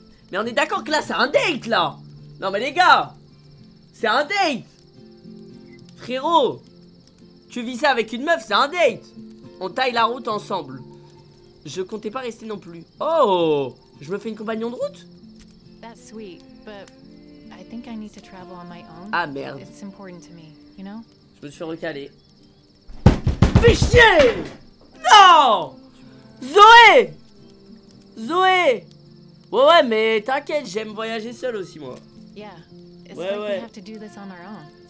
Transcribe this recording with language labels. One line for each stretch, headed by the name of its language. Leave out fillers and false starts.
French: Mais on est d'accord que là, c'est un date, là. Non mais les gars, c'est un date. Frérot, tu vis ça avec une meuf, c'est un date. On taille la route ensemble. Je comptais pas rester non plus. Oh, je me fais une compagnon de route?
English: That's sweet, but I think I need to travel on my own.
French: Ah merde.
English: It's important to me, you know?
French: Je me suis recalé. Fais chier! Non! Zoé! Zoé! Ouais, ouais, mais t'inquiète, j'aime voyager seul aussi, moi.
English: Yeah, it's ouais, like ouais. We have to do this on our own.